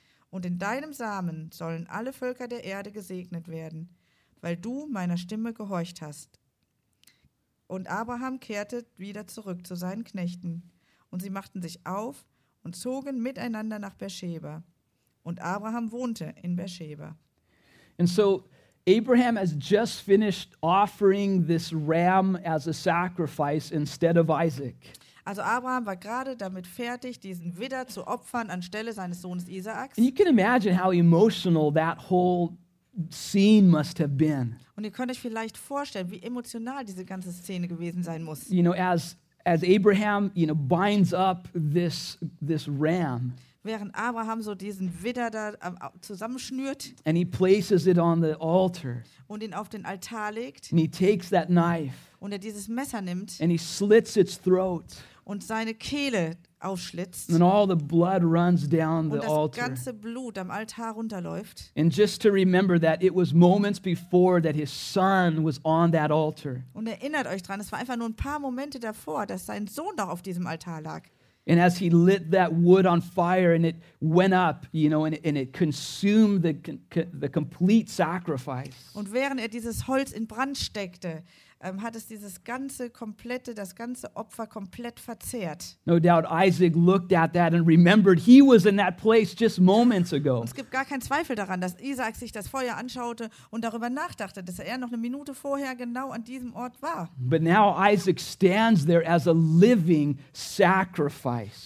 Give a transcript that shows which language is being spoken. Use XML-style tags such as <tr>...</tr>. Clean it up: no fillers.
<de>Und in deinem Samen sollen alle Völker der Erde gesegnet werden, weil du meiner Stimme gehorcht hast. Und Abraham kehrte wieder zurück zu seinen Knechten. Und sie machten sich auf und zogen miteinander nach Beersheba. Und Abraham wohnte in Beersheba.</de> <en>And so Abraham has just finished offering this ram as a sacrifice instead of Isaac.</en> <de>Also Abraham war gerade damit fertig, diesen Widder zu opfern anstelle seines Sohnes Isaaks.</de> <en>And you can imagine how emotional that whole scene must have been.</en> <de>Und ihr könnt euch vielleicht vorstellen, wie emotional diese ganze Szene gewesen sein muss.</de> <en>You know, as Abraham, you know, binds up this ram.</en> <de>Während Abraham so diesen Widder da zusammenschnürt.</de> <en>And he places it on the altar.</en> <de>Und ihn auf den Altar legt.</de> <en>And he takes that knife.</en> <de>Und er dieses Messer nimmt.</de> <en>And he slits its throat.</en> <de>und seine Kehle aufschlitzt.</de> <en>And all the blood runs down the altar.</en> <de>Und das ganze Blut am Altar runterläuft.</de> <en>And just to remember that it was moments before that his son was on that altar.</en> <de>Und erinnert euch dran, es war einfach nur ein paar Momente davor, dass sein Sohn doch auf diesem Altar lag.</de> <en>And as he lit that wood on fire and it went up, you know, and it consumed the complete sacrifice.</en> <de>Und während er dieses Holz in Brand steckte, hat es dieses ganze komplette, das ganze Opfer komplett verzehrt.</de> <en>No doubt Isaac looked at that and remembered he was in that place just moments ago.</en> <de>Und es gibt gar keinen Zweifel daran, dass Isaac sich das Feuer anschaute und darüber nachdachte, dass er noch eine Minute vorher genau an diesem Ort war.</de> <en>But now Isaac stands there as a living sacrifice.</en>